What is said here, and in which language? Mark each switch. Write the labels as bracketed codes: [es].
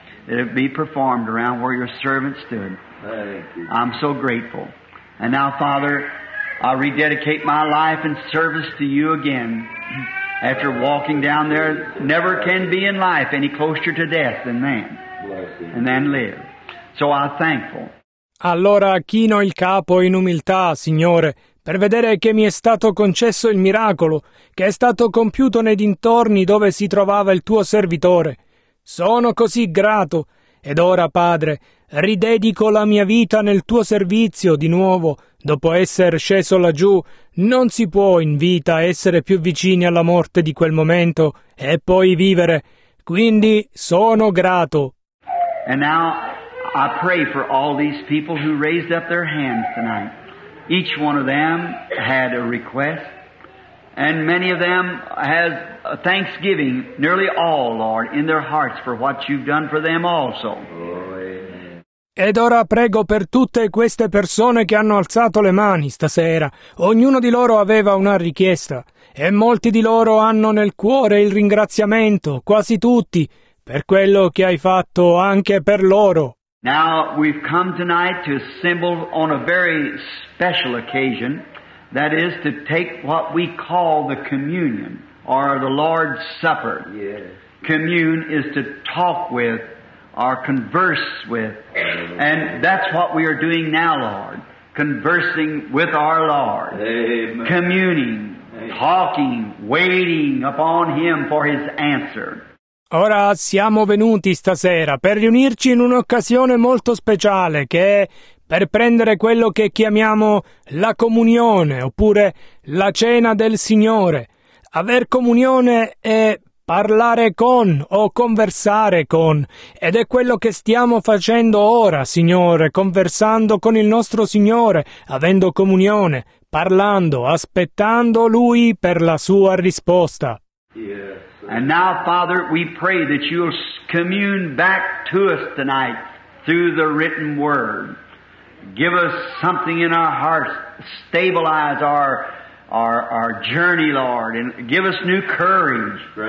[en] It be performed around where Your servant stood. Thank You. I'm so grateful. And now, Father, I rededicate my life and service to You again. After walking down there, never can be in life any closer to death than then. And then live. So I'm thankful. [it] Allora chino il capo in umiltà, Signore, per vedere che mi è stato concesso il miracolo, che è stato compiuto nei dintorni dove si trovava il Tuo servitore. Sono così grato, ed ora, Padre, ridedico la mia vita nel Tuo servizio di nuovo, dopo essere sceso laggiù. Non si può in vita essere più vicini alla morte di quel momento e poi vivere. Quindi sono grato. [en] And now I pray for all these people who raised up their hands tonight. Each one of them had a request. And many of them have a thanksgiving, nearly all, Lord, in their hearts for what You've done for them also. [it] Ed ora prego per tutte queste persone che hanno alzato le mani stasera. Ognuno di loro aveva una richiesta, e molti di loro hanno nel cuore il ringraziamento, quasi tutti, per quello che Hai fatto anche per loro. [en] Now we've come tonight to assemble on a very special occasion. That is to take what we call the communion, or the Lord's Supper. Yes. Commune is to talk with, or converse with. Amen. And that's what we are doing now, Lord. Conversing with our Lord. Amen. Communing, Amen. Talking, waiting upon Him for His answer. [it] Ora siamo venuti stasera per riunirci in un'occasione molto speciale, che è per prendere quello che chiamiamo la comunione, oppure la cena del Signore. Aver comunione è parlare con o conversare con, ed è quello che stiamo facendo ora, Signore, conversando con il nostro Signore, avendo comunione, parlando, aspettando Lui per la Sua risposta. [en] And now, Father, we pray that You'll commune back to us tonight through the written word. Give us something in our hearts, stabilize our journey, Lord, and give us new courage.